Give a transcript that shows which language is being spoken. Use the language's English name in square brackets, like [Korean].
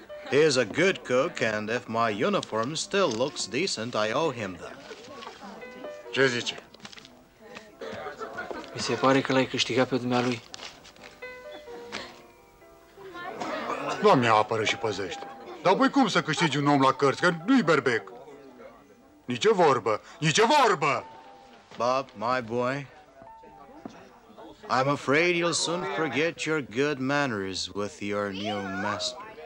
[English] He is a good cook, and if my uniform still looks decent, I owe him that. [Romanian] Ce zice? Mi se pare că l-ai câștigat pe dumnealui. Doamne, apără și păzește. Dar păi cum să câștigi un om la cărți, că nu-i berbec? Nici vorbă, nici vorbă! [English] Bob, my boy, I'm afraid you'll soon forget your good manners with your new master.